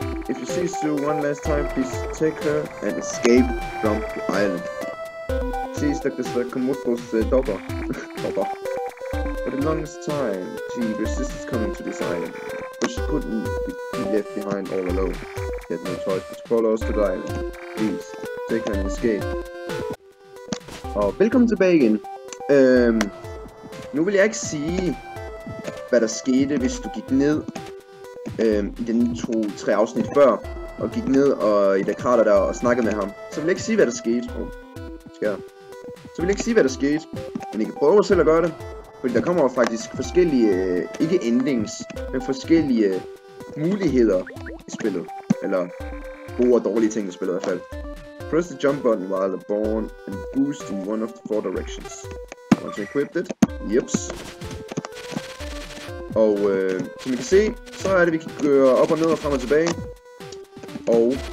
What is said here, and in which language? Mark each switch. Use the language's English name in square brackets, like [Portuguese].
[English] If you see Sue one last time, please take her and escape from the island. She is Dr. Komodo's daughter. Daughter. For the longest time, she resisted coming to this island, but she couldn't be left behind all alone. She had no choice but to follow us to the island. Please, take her and escape. [Danish] Og velkommen tilbage igen. Nu vil jeg ikke sige, hvad der skete, hvis du gik ned. I den 2-3 afsnit før, og gik ned og i der krater der og snakkede med ham, så vil jeg ikke sige, hvad der skete. Så vil jeg ikke sige, hvad der skete, men I kan prøve selv at gøre det, fordi der kommer faktisk forskellige, ikke endings, men forskellige muligheder i spillet, eller gode og dårlige ting i spillet i hvert fald. [English] Press the jump button while the born and boost in one of the four directions. Once you equipped it, yups. [Danish] Og som I kan se, så er det, vi kan gøre op og ned og frem og tilbage. Og...